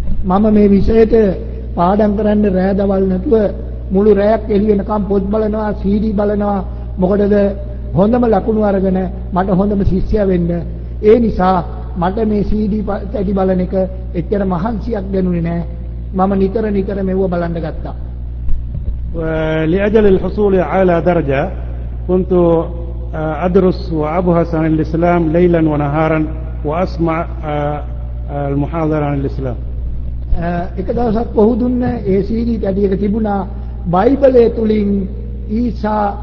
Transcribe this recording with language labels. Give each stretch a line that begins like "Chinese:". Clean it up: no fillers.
Sinhala: මම මේ විෂයට පාඩම් කරන්න රැඳවල් නැතුව මුළු රැයක් එළියෙනකම් පොත් බලනවා සීඩී බලනවා මොකටද හොඳම ලකුණු අරගෙන මට හොඳම ශිෂ්‍යයා වෙන්න. ඒ නිසා මට මේ සීඩී පැටි බලන එක එච්චර මහන්සියක් දැනුනේ නෑ. මම නිතර නිතර මෙව බලන්න ගත්තා.
Arabic: لأجل الحصول على درجة كنت أدرس وأبحث عن الإسلام ليلا ونهارا وأسمع المحاضرة عن الإسلام.
Sinhala: එක දවසක් පොහු දුන්න ඒ සීඩී පැටි එක තිබුණා බයිබලයේ තුලින් ඊසා